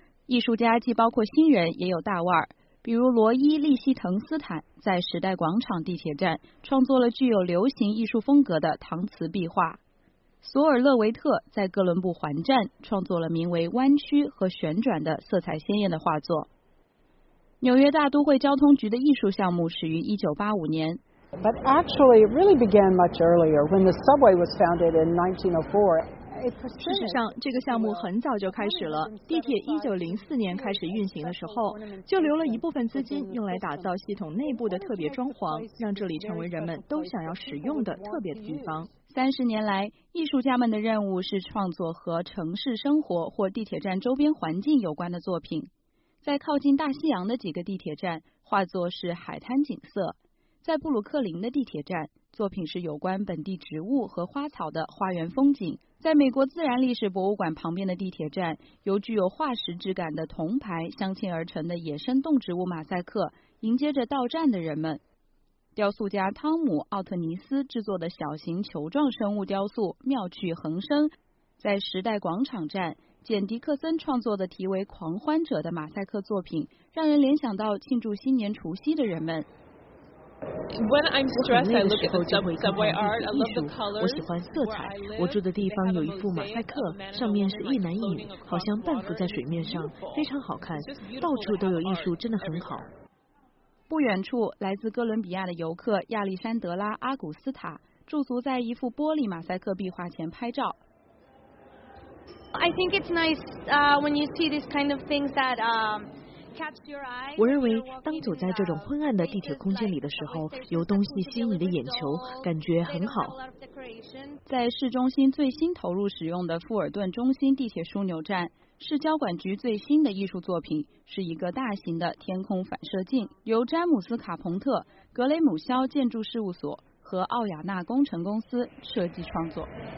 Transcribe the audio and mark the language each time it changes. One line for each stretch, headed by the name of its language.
Chinese: 艺术家既包括新人也有大腕儿，比如罗伊·利希滕斯坦在时代广场地铁站创作了具有流行艺术风格的搪瓷壁画，索尔勒维特在哥伦布环站创作了名为弯曲和旋转的色彩鲜艳的画作。纽约大都会交通局的艺术项目始于1985年。
English: But actually, it really began much earlier when the subway was founded in 1904.
Chinese: 事实上，这个项目很早就开始了。地铁1904年开始运行的时候，就留了一部分资金用来打造系统内部的特别装潢，让这里成为人们都想要使用的特别的地方。 30年来，艺术家们的任务是创作和城市生活或地铁站周边环境有关的作品。在靠近大西洋的几个地铁站，画作是海滩景色；在布鲁克林的地铁站，作品是有关本地植物和花草的花园风景；在美国自然历史博物馆旁边的地铁站，由具有化石质感的铜牌镶嵌而成的野生动植物马赛克，迎接着到站的人们。雕塑家汤姆·奥特尼斯制作的小型球状生物雕塑《妙趣横生》，在时代广场站，简·迪克森创作的题为《狂欢者》的马赛克作品，让人联想到庆祝新年除夕的人们。
English: When I'm stressed, I look at the subway art. I love the colors.
Chinese: 我喜欢色彩。我住的地方有一幅马赛克，上面是一男一女，好像半浮在水面上，非常好看。到处都有艺术，真的很好。不远处，来自哥伦比亚的游客亚历山德拉·阿古斯塔驻足在一幅玻璃马赛克壁画前拍照。
English: I think it's nice, when you see these kind of things that, catch your eye.
Chinese: 我认为，当走在这种昏暗的地铁空间里的时候，有东西吸引你的眼球，感觉很好。在市中心最新投入使用的富尔顿中心地铁枢纽站。市交管局最新的艺术作品是一个大型的天空反射镜，由詹姆斯·卡彭特、格雷姆肖建筑事务所和奥亚纳工程公司设计创作。